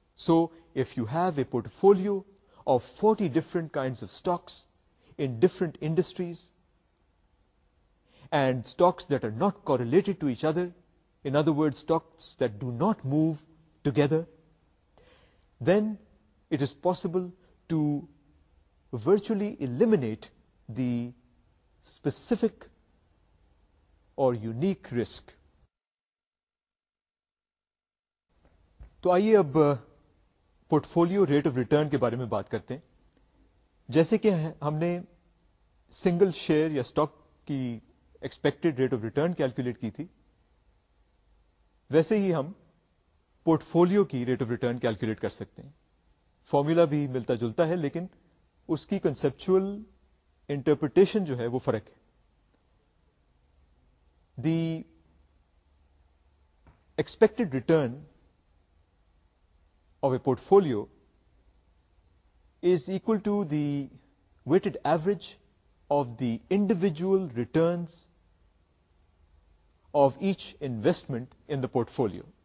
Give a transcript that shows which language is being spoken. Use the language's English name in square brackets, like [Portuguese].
[English] So if you have a portfolio of 40 different kinds of stocks in different industries and stocks that are not correlated to each other, in other words, stocks that do not move together, then it is possible to virtually eliminate the specific or unique risk. [Urdu] تو آئیے اب port folio rate of return کے بارے میں بات کرتے ہیں. جیسے کہ ہم نے سنگل شیئر یا اسٹاک کی expected rate of return calculate کی تھی, ویسے ہی ہم پورٹ فولیو کی ریٹ آف ریٹرن کیلکولیٹ کر سکتے ہیں. فارمولا بھی ملتا جلتا ہے لیکن اس کی کنسپچل انٹرپریٹیشن جو ہے وہ فرق ہے. [English] The expected return of a portfolio is equal to the weighted average of the individual returns of each investment in the portfolio.